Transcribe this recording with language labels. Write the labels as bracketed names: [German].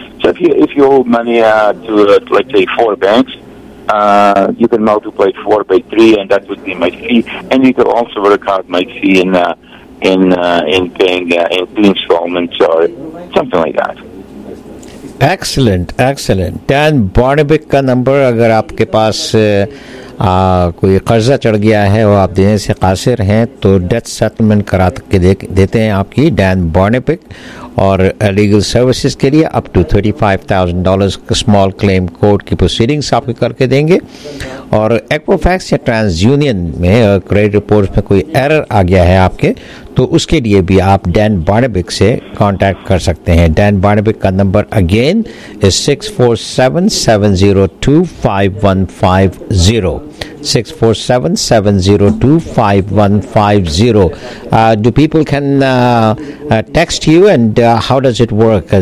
[English] So if you owe money to let's say 4 banks, you can multiply 4 by 3, and that would be my fee. And you could also work out my fee in paying in 2 installments or something like that. [Hindi] Excellent, excellent. Dan बॉर्नेबिक का number, अगर आपके पास कोई कर्जा चढ़ गया है और आप देने से कासिर हैं, तो डेथ सेटलमेंट करा के देते हैं आपकी डैन बॉर्नेबिक। और लीगल सर्विसेज के लिए up to $35,000 small claim court की प्रोसीडिंग्स आपके करके देंगे। और एक्वोफैक्स या ट्रांस यूनियन में क्रेडिट रिपोर्ट में कोई एरर आ गया है आपके, तो उसके लिए भी आप डैन बार्नबिक से कांटेक्ट कर सकते हैं। डैन बार्नबिक का number again is 647-702-5150 [English] Do people can text you, and how does it work?